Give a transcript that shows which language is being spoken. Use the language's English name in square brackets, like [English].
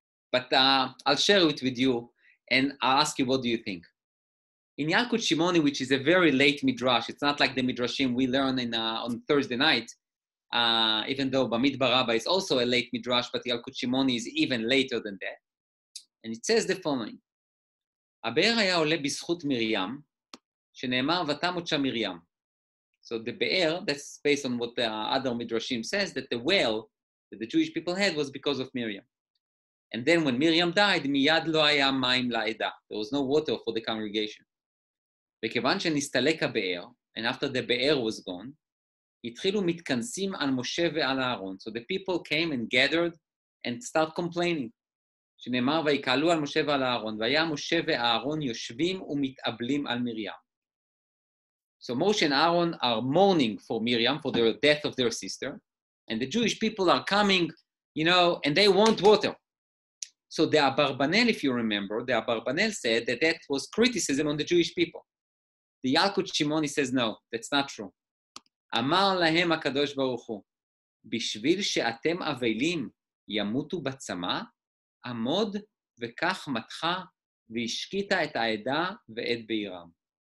[English] But I'll share it with you, and I'll ask you, what do you think? In Yalkut Shimoni, which is a very late Midrash, it's not like the Midrashim we learn on Thursday night, even though Bamidbar Rabbah is also a late Midrash, but Yalkut Shimoni is even later than that. And it says the following. [Hebrew] הבאר היה עולה בזכות מרים, שנאמר ותמות שם מרים. [English] So the באר, that's based on what the other Midrashim says, that the well that the Jewish people had was because of Miriam. And then when Miriam died, [Hebrew] מיד לא היה מים לעדה. [English] There was no water for the congregation. [Hebrew] וכיוון שנסתלק הבאר, [English] and after the באר was gone, [Hebrew] התחילו מתכנסים על משה ועל אהרון. [English] So the people came and gathered and start complaining. [Hebrew] שנאמר ויקהלו על משה ועל אהרון, והיה משה ואהרון יושבים ומתאבלים על מרים. [English] So Moshe and Aaron are mourning for Miriam, for the death of their sister, and the Jewish people are coming, you know, and they want water. So the Abarbanel, if you remember, the Abarbanel said that that was criticism on the Jewish people. The Yalkut Shimoni says, no, that's not true. [Hebrew] אמר להם הקדוש ברוך הוא, בשביל שאתם אבלים ימותו בצמה, עמוד וכך מתחה והשקית את העדה ואת בעירם.